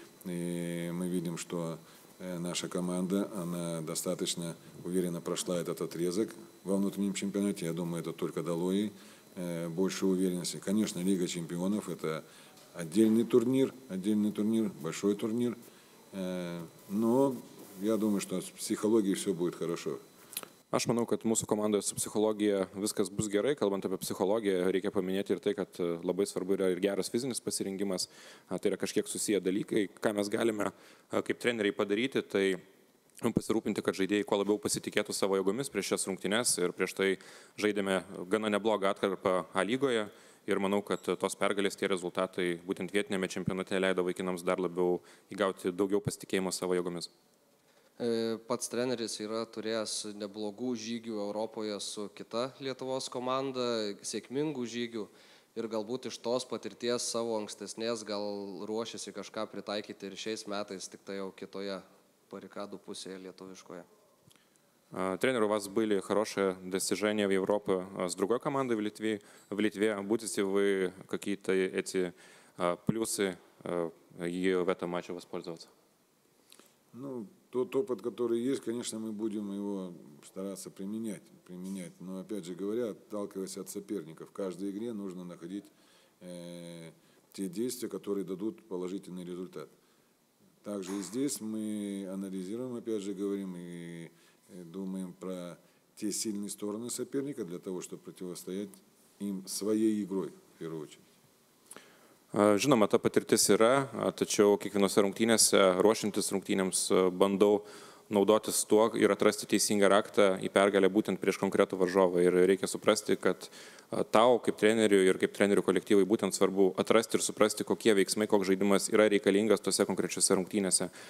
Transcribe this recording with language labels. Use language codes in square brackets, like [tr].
[ru] И мы видим, что наша команда, она достаточно уверенно прошла этот отрезок во внутреннем чемпионате. Я думаю, это только дало ей больше уверенности. Конечно, Лига чемпионов – это отдельный турнир, большой турнир. Но я думаю, что с психологией все будет хорошо. [lt] Aš manau, kad mūsų komandoje su psichologija viskas bus gerai, kalbant apie psichologiją, reikia paminėti ir tai, kad labai svarbu yra ir geras fizinis pasirengimas, tai yra kažkiek susiję dalykai, ką mes galime kaip treneriai padaryti, tai pasirūpinti, kad žaidėjai kuo labiau pasitikėtų savo jėgomis prieš šias rungtynes ir prieš tai žaidėme gana neblogą atkarpą A lygoje ir manau, kad tos pergalės tie rezultatai būtent vietiniame čempionate leido vaikinams dar labiau įgauti daugiau pasitikėjimo savo jėgomis. Pats treneris yra turėjęs neblogų žygių Europoje su kita Lietuvos komanda, sėkmingų žygių ir galbūt iš tos patirties savo ankstesnės gal ruošiasi kažką pritaikyti ir šiais metais tik tai jau kitoje parikadų pusėje lietuviškoje. [ru] Тренер, у вас были хорошие достижения в Европе с другой командой в Литве. В Литве будете вы какие-то эти плюсы и в этом матче воспользоваться? Ну, тот опыт, который есть, конечно, мы будем его стараться применять. Но, опять же говоря, отталкиваясь от соперников, в каждой игре нужно находить те действия, которые дадут положительный результат. Также и здесь мы анализируем, опять же говорим, и думаем про те сильные стороны соперника для того, чтобы противостоять им своей игрой, в первую очередь. [lt] Žinoma, ta patirtis yra, tačiau kiekvienose rungtynėse, ruošintis rungtynėms, bandau naudotis tuo ir atrasti teisingą raktą į pergalę būtent prieš konkretų varžovą. Ir reikia suprasti, kad tau kaip treneriu ir kaip trenerių kolektyvui būtent svarbu atrasti ir suprasti, kokie veiksmai, koks žaidimas yra reikalingas tose konkrečiose rungtynėse.